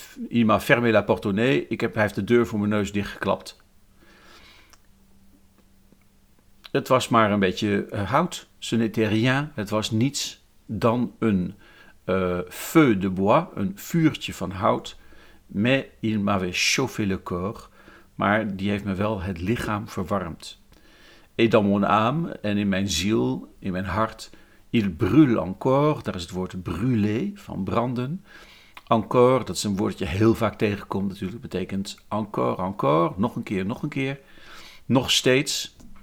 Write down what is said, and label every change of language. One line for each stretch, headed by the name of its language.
French: Il m'a fermé la portonnée,
Dutch: hij heeft de deur voor mijn neus dichtgeklapt. Het was maar een beetje hout.
French: Ce n'était rien.
Dutch: Het was niets dan een
French: feu de bois,
Dutch: een vuurtje van hout.
French: Mais il m'avait chauffé le corps.
Dutch: Maar die heeft me wel het lichaam verwarmd.
French: Et dans mon âme,
Dutch: en in mijn ziel, in mijn hart,
French: il brûle encore.
Dutch: Daar is het woord brûler, van branden. Encore, dat is een woordje heel vaak tegenkomt natuurlijk. Dat betekent encore, encore, nog een keer, nog een keer. Nog steeds.